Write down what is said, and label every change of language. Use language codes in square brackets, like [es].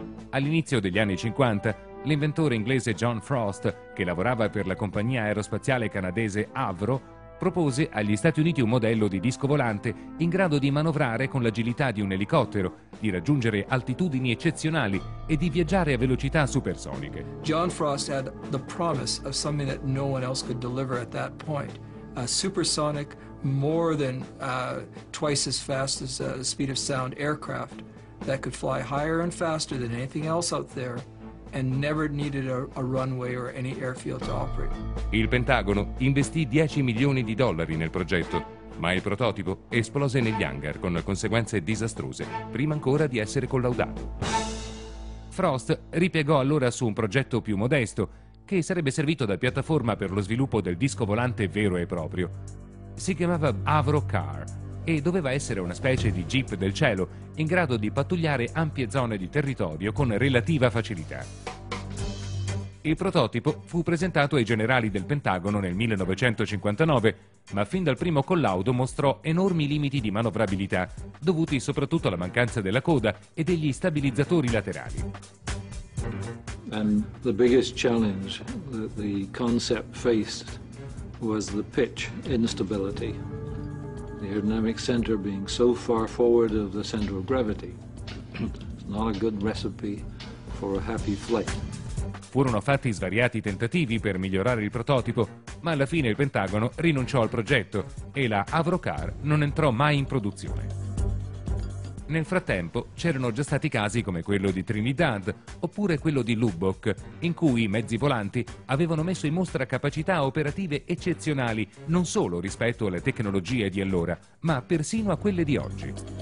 [it] All'inizio degli anni 50, l'inventore inglese John Frost, che lavorava per la compagnia aerospaziale canadese Avro, propose agli Stati Uniti un modello di disco volante in grado di manovrare con l'agilità di un elicottero, di raggiungere altitudini eccezionali e di viaggiare a velocità supersoniche. [en] John Frost had the promise of something that no one else could deliver at that point. A supersonic, more than twice as fast as the speed of sound aircraft that could fly higher and faster than anything else out there and never needed a runway or any airfield to operate. [it] Il Pentagono investì 10 milioni di dollari nel progetto, ma il prototipo esplose negli hangar con conseguenze disastrose, prima ancora di essere collaudato. Frost ripiegò allora su un progetto più modesto, che sarebbe servito da piattaforma per lo sviluppo del disco volante vero e proprio. Si chiamava Avro Car e doveva essere una specie di jeep del cielo in grado di pattugliare ampie zone di territorio con relativa facilità. Il prototipo fu presentato ai generali del Pentagono nel 1959, ma fin dal primo collaudo mostrò enormi limiti di manovrabilità, dovuti soprattutto alla mancanza della coda e degli stabilizzatori laterali. [en] And the biggest challenge that the concept faced was the pitch instability. The aerodynamic center being so far forward of the center of gravity. It's not a good recipe for a happy flight. [it] Furono fatti svariati tentativi per migliorare il prototipo, ma alla fine il Pentagono rinunciò al progetto e la Avro Car non entrò mai in produzione. Nel frattempo c'erano già stati casi come quello di Trinidad oppure quello di Lubbock, in cui i mezzi volanti avevano messo in mostra capacità operative eccezionali non solo rispetto alle tecnologie di allora, ma persino a quelle di oggi.